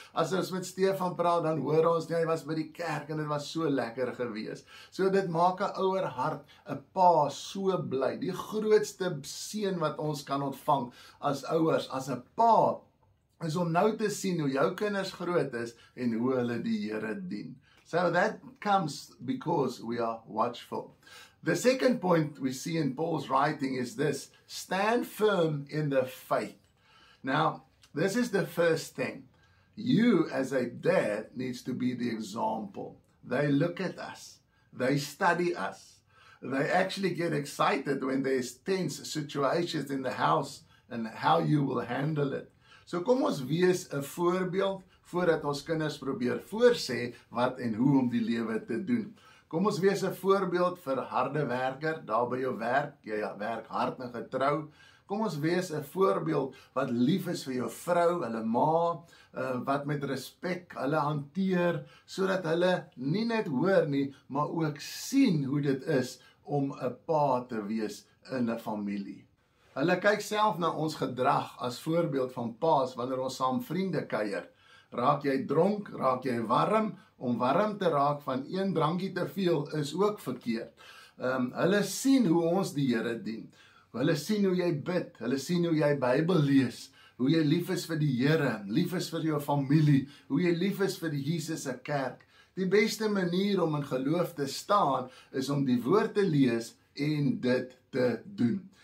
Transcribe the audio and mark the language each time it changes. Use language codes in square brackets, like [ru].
[af] As ons met Stefan praat, dan hoor ons nie, hy was by die kerk en dit was so lekker geweest. So dit maak 'n ouer hart, 'n pa so bly. Die grootste seën wat ons kan ontvang as ouers, as 'n pa, is om nou te sien hoe jou kinders groot is en hoe hulle die Here dien. [en] So that comes because we are watchful. The second point we see in Paul's writing is this, stand firm in the faith. Now, this is the first thing. You as a dad needs to be the example. They look at us. They study us. They actually get excited when there's tense situations in the house and how you will handle it. [af] So kom ons wees 'n voorbeeld voordat ons kinders probeer voorsê wat en hoe om die lewe te doen. Kom ons wees 'n voorbeeld vir harde werker daar by jou werk. Jy werk hard en getrou. Kom ons wees 'n voorbeeld wat lief is vir jou vrou, hulle ma, wat met respek hulle hanteer, sodat hulle nie net hoor nie, maar ook sien hoe dit is om 'n pa te wees in 'n familie. Hulle kyk self na ons gedrag as voorbeeld van pa's wanneer ons saam vriende kuier. Raak jy dronk, raak jy warm. Om warm te raak van een drankie te veel is ook verkeerd. Hulle sien hoe ons die Here dien. Hulle sien hoe jy bid, hulle sien hoe jy Bybel lees, hoe jy lief is vir die Here, lief is vir jou familie, hoe jy lief is vir die Jesus se kerk. Die beste manier om in geloof te staan is om die woord te lees en dit te doen.